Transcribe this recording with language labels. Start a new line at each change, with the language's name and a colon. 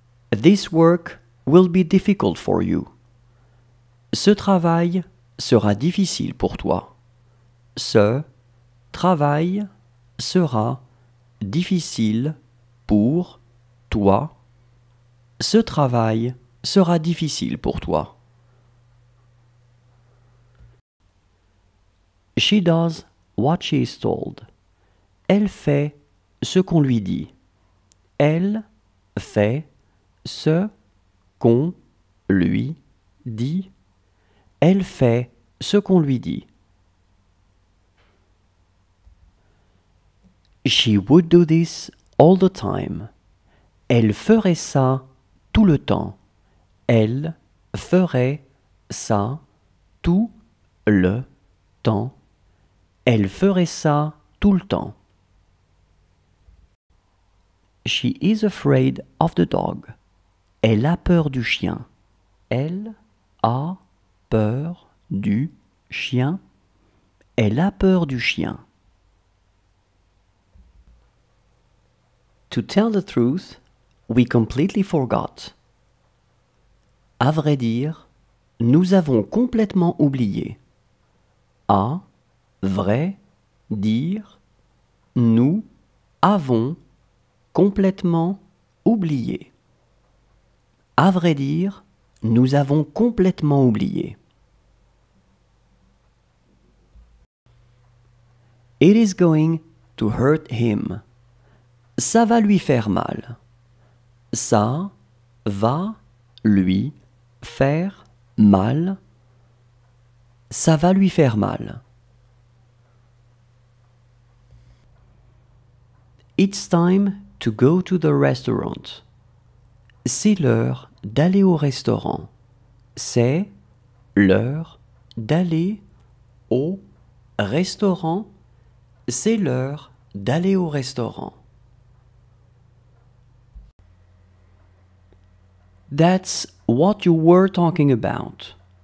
English: This work will be difficult for you.
French: Ce travail sera difficile pour toi. Ce travail sera difficile pour toi. Ce travail sera difficile pour toi.
English: She does what she is told.
French: Elle fait ce qu'on lui dit. Elle fait ce qu'on lui dit. Elle fait ce qu'on lui dit.
English: She would do this all the time.
French: Elle ferait ça tout le temps. Elle ferait ça tout le temps. Elle ferait ça tout le temps.
English: She is afraid of the dog.
French: Elle a peur du chien. Elle a peur du chien. Elle a peur du chien.
English: To tell the truth, we completely forgot.
French: À vrai dire, nous avons complètement oublié. À vrai dire, nous avons complètement oublié. À vrai dire, nous avons complètement oublié.
English: It is going to hurt him.
French: Ça va lui faire mal. Ça va lui faire mal. Ça va lui faire mal.
English: It's time to go to the restaurant.
French: C'est l'heure d'aller au restaurant. C'est l'heure d'aller au restaurant. C'est l'heure d'aller au restaurant.
English: That's what you were talking about.